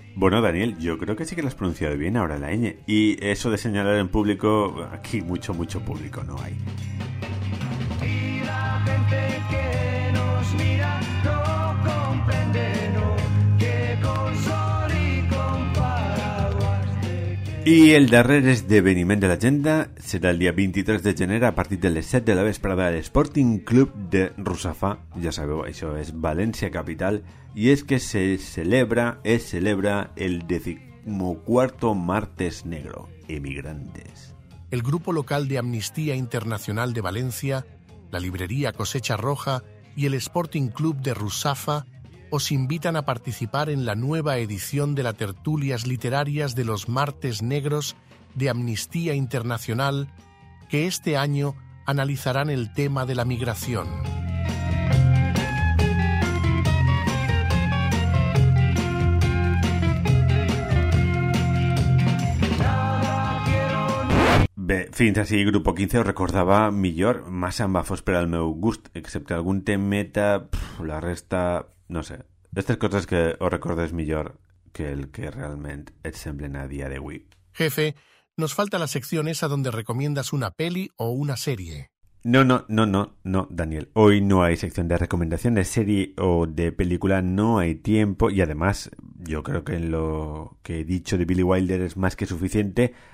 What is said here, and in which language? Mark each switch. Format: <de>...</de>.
<es>Bueno, Daniel, yo creo que sí que lo has pronunciado bien ahora la ñ. Y eso de señalar en público, aquí mucho, mucho público no hay. Y la gente que nos mira no comprende, no, que con sol y con paraguas te quedas.</es> <ca>Y el darrer esdeveniment de l'agenda serà el dia 23 de gener a partir de les 7 de la vesprada a l'Sporting Club de Russafa. Ja sabeu, això és València Capital.</ca> <es>Y es que se celebra el 14º Martes Negro, Emigrantes. El grupo local de Amnistía Internacional de Valencia, la librería Cosecha Roja y el Sporting Club de Russafa os invitan a participar en la nueva edición de las tertulias literarias de los Martes Negros de Amnistía Internacional, que este año analizarán el tema de la migración.</es> <ca>Bé, fins així, Grupo 15 ho recordava millor, massa embafós per al meu gust, excepte algun temeta, la resta, no sé. Estes coses que ho recordes millor que el que realment et semblen a dia d'avui.</ca> <es>Jefe, nos falta la sección esa donde recomiendas una peli o una serie. No, Daniel. Hoy no hay sección de recomendación de serie o de película, no hay tiempo. Y además, yo creo que en lo que he dicho de Billy Wilder es más que suficiente.</es>